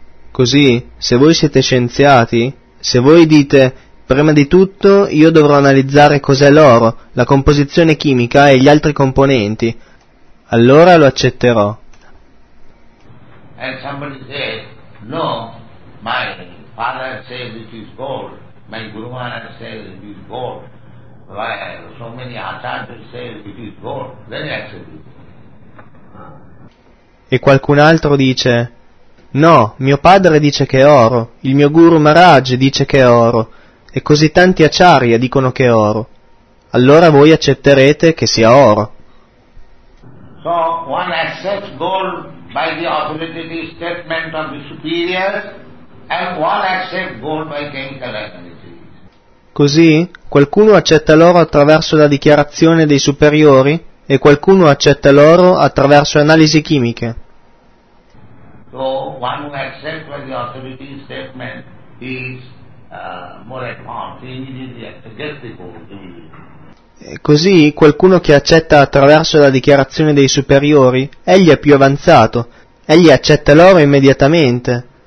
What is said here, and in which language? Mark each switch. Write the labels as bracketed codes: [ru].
[it] Così, se voi siete scienziati, se voi dite prima di tutto io dovrò analizzare cos'è l'oro, la composizione chimica e gli altri componenti, allora lo accetterò. [en] And somebody said, no, my father says it is gold, my guru says it is gold, why so many acharyas say it is gold, then you accept it. [it] E qualcun altro dice, no, mio padre dice che è oro, il mio guru Maharaj dice che è oro, e così tanti acharya dicono che è oro. Allora voi accetterete che sia oro. [en] So one accepts gold by the authoritative statement of the superior, and one accepts gold by chemical analysis. [it] Così qualcuno accetta l'oro attraverso la dichiarazione dei superiori e qualcuno accetta l'oro attraverso analisi chimiche. [en] So one who accepts by the authoritative statement is more advanced. [it] E così qualcuno che accetta attraverso la dichiarazione dei superiori, egli è più avanzato, egli accetta l'oro immediatamente.